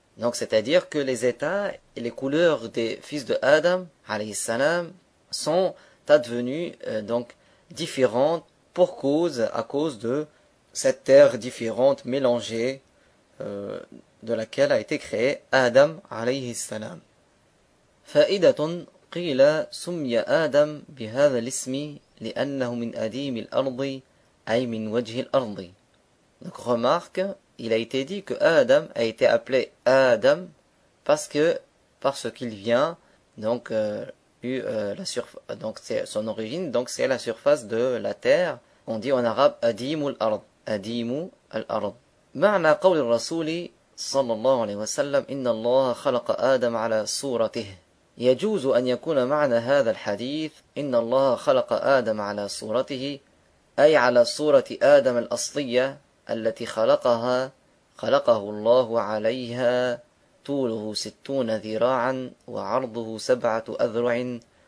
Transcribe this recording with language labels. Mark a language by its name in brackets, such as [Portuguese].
[French] Donc c'est-à-dire que les états et les couleurs des fils de Adam, alayhi salam, sont advenus donc différentes pour cause, à cause de cette terre différente, mélangée, de laquelle a été créé Adam, alayhi salam. [Arabic] Fa'idatun. قيل سمي آدم بهذا الاسم لأنه من أديم الأرض أي من وجه الأرض. [French] Donc remarque, il a été dit que Adam a été appelé Adam parce qu'il vient donc la surface, donc c'est son origine, donc c'est la surface de la terre. On dit en arabe [Arabic] أديم الأرض. أديم الأرض. معنى قول الرسول صلى الله عليه وسلم إن الله خلق آدم على صورته. يجوز أن يكون معنى هذا الحديث إن الله خلق آدم على صورته أي على صورة آدم الأصلية التي خلقها خلقه الله عليها طوله 60 ذراعا وعرضه 7 أذرع